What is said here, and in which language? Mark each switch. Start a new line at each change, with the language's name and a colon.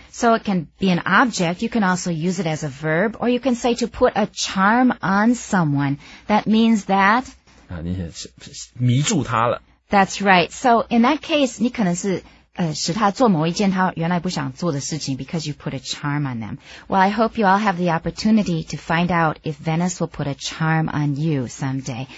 English: So it can be an object, you can also use it as a verb, or you can say to put a charm on someone. That means that...、
Chinese: 啊、你迷住他了。
English: That's right. So in that case,
Chinese: 你可能是使他做某一件他原来不想做的事情
English: because you put a charm on them. Well, I hope you all have the opportunity to find out if Venice will put a charm on you someday.